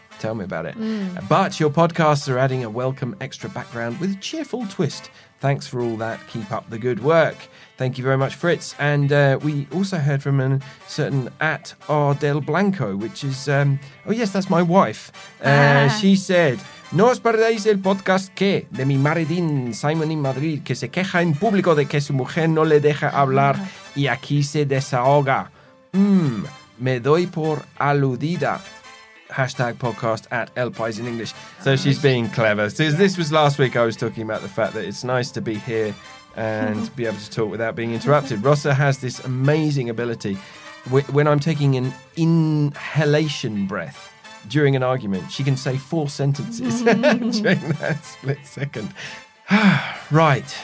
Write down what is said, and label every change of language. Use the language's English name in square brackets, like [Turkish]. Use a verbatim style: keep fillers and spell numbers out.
[English] Tell me about it. But your podcasts are adding a welcome extra background with a cheerful twist. Thanks for all that. Keep up the good work. Thank you very much, Fritz. And uh, we also heard from a certain at R del Blanco, which is, um, oh yes, that's my wife. Uh, Ah. [Spanish] She said, no os perdáis el podcast que de mi maridín Simon in Madrid, que se queja en público de que su mujer no le deja hablar y aquí se desahoga. Mm, me doy por aludida. [English] Hashtag podcast at El Pais in English. So she's being clever. So this was last week. I was talking about the fact that it's nice to be here and be able to talk without being interrupted. Rossa has this amazing ability. Wh- When I'm taking an inhalation breath during an argument, she can say four sentences during that split second. Right.